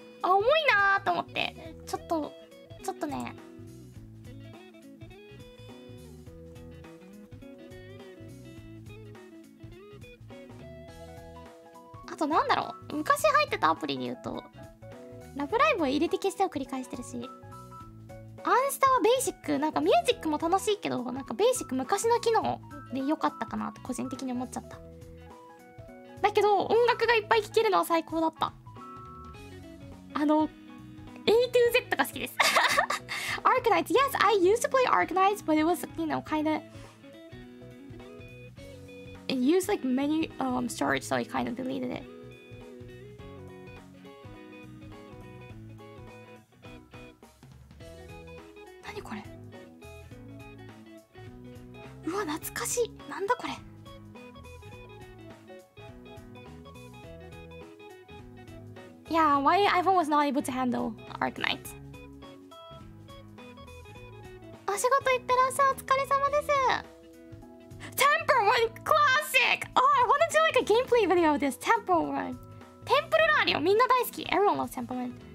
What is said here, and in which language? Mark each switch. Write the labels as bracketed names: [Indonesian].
[Japanese] あ、重いなーと思って、ちょっとね、あとなんだろう、昔入ってたアプリで言うとラブライブは入れて消してを繰り返してるし、アンスタはベーシック、なんかミュージックも楽しいけど、なんかベーシック昔の機能で良かったかなと個人的に思っちゃった。だけど音楽がいっぱい聴けるのは最高だった。あの A to Z が好きです。 [English] アークナイツ、 Yes, I used to play アークナイツ but it was, you know, kindIt used like many storage, so I kind of deleted it. [Japanese] なにこれ、うわ懐かしい、なんだこれ。 [English] Yeah, my iPhone was not able to handle Arknight. [Japanese] お仕事行ってらっしゃい、お疲れ様です。 [English] Temple Run Classic! Oh, I want to do like a gameplay video of this Temple Run. Temple Run, [Japanese] みんな大好き。 [English] Everyone loves Temple Run.